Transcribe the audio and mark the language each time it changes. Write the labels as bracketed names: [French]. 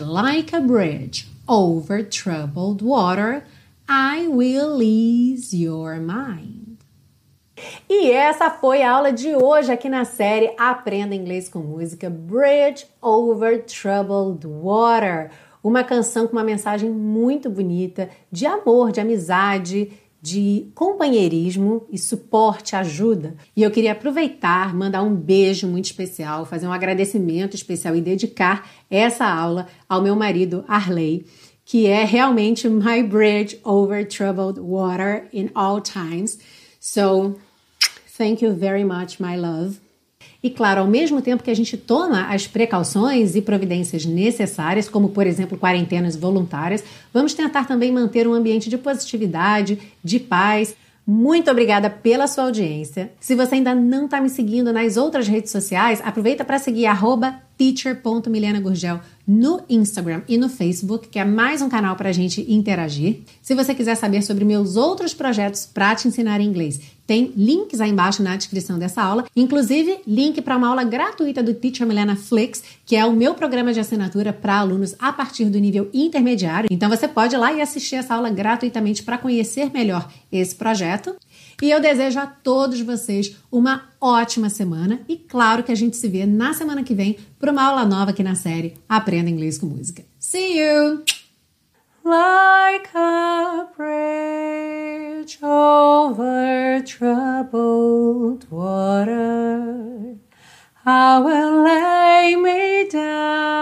[English] Like a bridge over troubled water, I will ease your mind. [Portuguese] E essa foi a aula de hoje aqui na série Aprenda Inglês com Música, Bridge Over Troubled Water. Uma canção com uma mensagem muito bonita de amor, de amizade, de companheirismo e suporte, ajuda. E eu queria aproveitar, mandar um beijo muito especial, fazer um agradecimento especial e dedicar essa aula ao meu marido Arley, que é realmente [English] my bridge over troubled water in all times. So, thank you very much, my love. [Portuguese] E claro, ao mesmo tempo que a gente toma as precauções e providências necessárias, como por exemplo quarentenas voluntárias, vamos tentar também manter um ambiente de positividade, de paz, Muito obrigada pela sua audiência. Se você ainda não está me seguindo nas outras redes sociais, aproveita para seguir @teacher.milenagurgel no Instagram e no Facebook, que é mais um canal para a gente interagir. Se você quiser saber sobre meus outros projetos para te ensinar inglês, tem links aí embaixo na descrição dessa aula, inclusive link para uma aula gratuita do Teacher Milena Flix, que é o meu programa de assinatura para alunos a partir do nível intermediário. Então você pode ir lá e assistir essa aula gratuitamente para conhecer melhor esse projeto. E eu desejo a todos vocês uma ótima semana e claro que a gente se vê na semana que vem para uma aula nova aqui na série Aprenda Inglês com Música. [English] See you! Like a bridge over troubled water, I will lay me down.